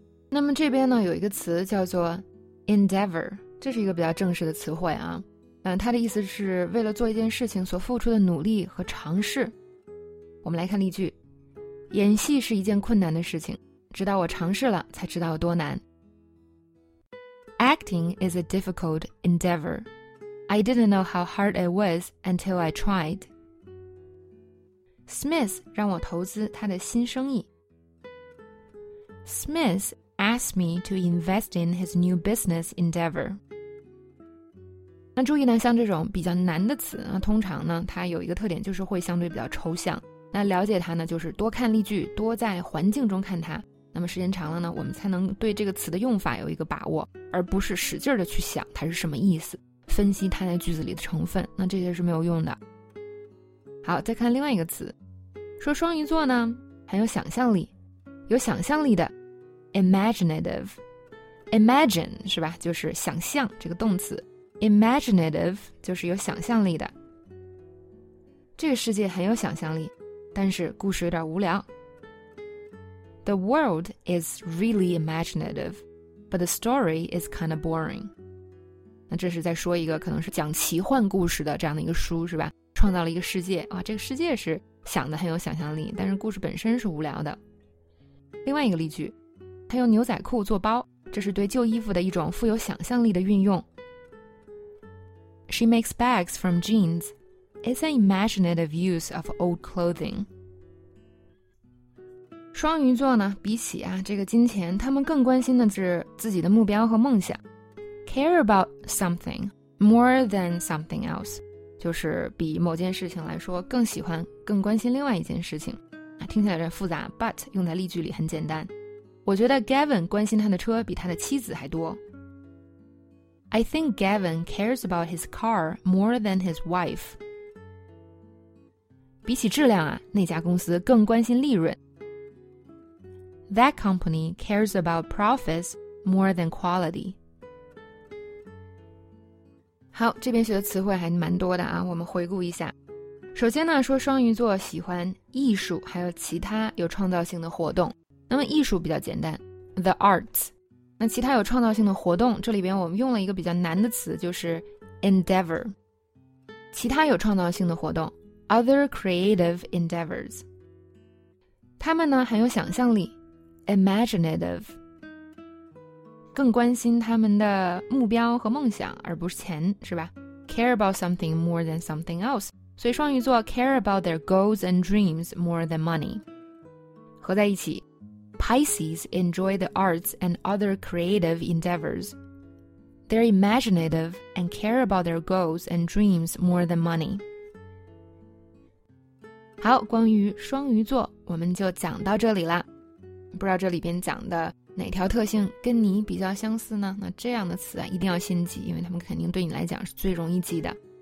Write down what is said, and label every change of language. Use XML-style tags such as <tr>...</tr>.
<zh>那么这边呢有一个词叫做 endeavor， 这是一个比较正式的词汇啊，它的意思是为了做一件事情所付出的努力和尝试。我们来看例句。演戏是一件困难的事情，直到我尝试了才知道有多难。</zh> <en>Acting is a difficult endeavor. I didn't know how hard it was until I tried.</en> <zh>Smith 让我投资他的新生意。</zh> <en>Smith asked me to invest in his new business endeavor.</en> <zh>那注意呢，像这种比较难的词啊，通常呢，它有一个特点，就是会相对比较抽象。那了解它呢，就是多看例句，多在环境中看它。那么时间长了呢，我们才能对这个词的用法有一个把握，而不是使劲的去想它是什么意思，分析它在句子里的成分，那这些是没有用的。好，再看另外一个词，说双鱼座呢很有想象力，有想象力的 ，imaginative，imagine 是吧？就是想象这个动词 ，imaginative 就是有想象力的。这个世界很有想象力。但是故事有点无聊。</zh> <en>The world is really imaginative, but the story is kind of boring.</en> <zh>那这是在说一个可能是讲奇幻故事的这样的一个书是吧？创造了一个世界，哇，这个世界是想的很有想象力，但是故事本身是无聊的。另外一个例句，他用牛仔裤做包，这是对旧衣服的一种富有想象力的运用。</zh> <en>She makes bags from jeans. It's an imaginative use of old clothing.</en> <zh>双鱼座呢，比起啊这个金钱，他们更关心的是自己的目标和梦想。</zh> <en>Care about something more than something else，</en> <zh>就是比某件事情来说更喜欢、更关心另外一件事情。听起来有点复杂 ，but 用在例句里很简单。我觉得 Gavin 关心他的车比他的妻子还多。</zh> <en>I think Gavin cares about his car more than his wife.</en> <zh>比起质量啊，那家公司更关心利润。</zh> <en>That company cares about profits more than quality.</en> <zh>好，这边学的词汇还蛮多的啊，我们回顾一下。首先呢，说双鱼座喜欢艺术，还有其他有创造性的活动。那么艺术比较简单 ，the arts。那其他有创造性的活动，这里边我们用了一个比较难的词，就是 endeavor。其他有创造性的活动。</zh> <en>Other creative endeavors.</en> <zh>他们呢很有想象力 ,imaginative. 更关心他们的目标和梦想而不是钱是吧 ?</zh> <en>care about something more than something else. 所以双鱼座 care about their goals and dreams more than money.</en> <zh>合在一起</zh> <en>,Pisces enjoy the arts and other creative endeavors. They're imaginative and care about their goals and dreams more than money.</en> <zh>好，关于双鱼座我们就讲到这里了。不知道这里边讲的哪条特性跟你比较相似呢？那这样的词啊，一定要先记，因为他们肯定对你来讲是最容易记的。</zh>